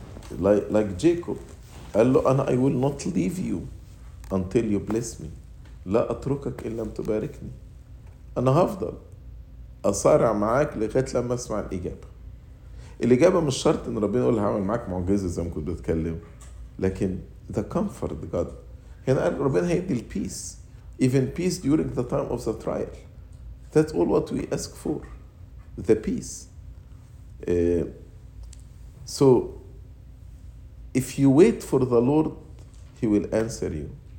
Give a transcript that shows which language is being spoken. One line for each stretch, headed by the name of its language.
English: Like Jacob
Arabic: قال له أنا
English: I will not leave you until you bless me.
Arabic: لا أتركك إلا أن تباركني. أنا هفضل أصارع معاك لغاية لما أسمع الإجابة. الإجابة مش شرط أن ربنا يقول هعمل معاك معجزة زي ما كنت بتكلم، لكن
English: the comfort God.
Arabic: هنا قال ربنا هيدي البيس،
English: even peace during the time of the trial. That's all what we ask for, the peace. So if you wait for the Lord he will answer you.